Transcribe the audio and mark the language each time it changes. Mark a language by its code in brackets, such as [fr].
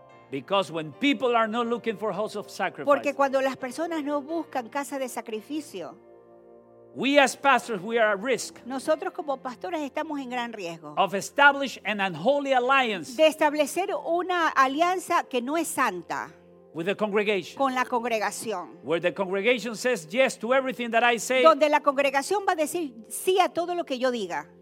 [en] Because when people are not looking for house of sacrifice. [es] Porque cuando las personas no buscan casa de sacrificio. [en] We as pastors, we are at risk. [es] Nosotros como pastores estamos en gran riesgo. [en] Of establishing an unholy alliance. [es] De establecer una alianza que no es santa. [en] With the congregation. [es] Con la congregación. [en] Where the congregation says yes to everything that I say. [es] Donde la congregación va a decir sí a todo lo que yo diga.